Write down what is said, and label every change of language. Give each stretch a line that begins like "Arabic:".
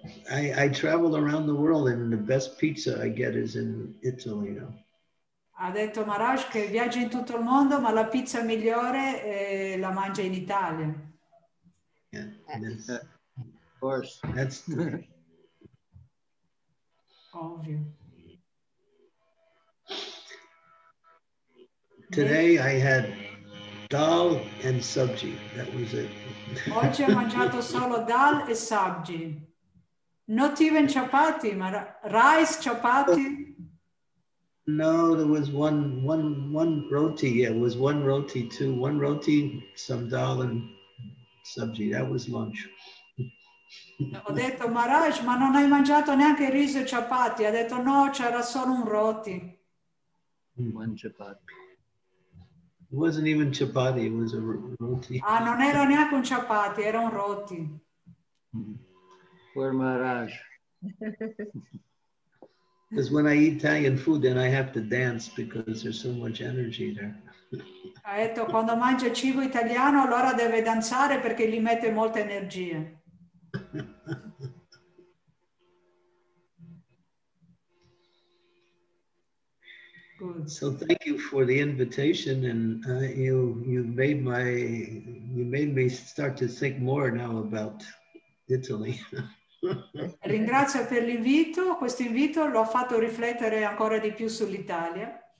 English: I traveled around the world and the best pizza I get is in Italy, you know.
Italian: Ha detto Maharaj che viaggia in tutto il mondo, ma la pizza migliore la mangia in Italia.
English: Yeah, that's, of course. That's the...
Italian: Ovvio.
English: Today I had dal and sabji. That was it.
Italian: Oggi ho mangiato solo dal e sabji.
English: Not even chapati,
Italian: ma rice chapati.
English: No, there was one roti. Yeah, it was one roti too. One roti, some dal and sabji. That was lunch.
Italian: Ho detto Maharaj, ma non hai mangiato neanche riso e chapati. Ha detto no, c'era solo un roti.
English: One chapati. It wasn't even chapati, it was a roti.
Italian: Ah, non era neanche un chapati, era un roti.
English: Poor Maharaj. Because when I eat Italian food, then I have to dance because there's so much energy there.
Italian: Ha detto, quando mangia cibo italiano, allora deve danzare perché gli mette molta energia.
English: So thank you for the invitation, and you made me start to think more now about Italy.
Italian: Ringrazio per l'invito. Questo invito lo ha fatto riflettere ancora di più sull'Italia.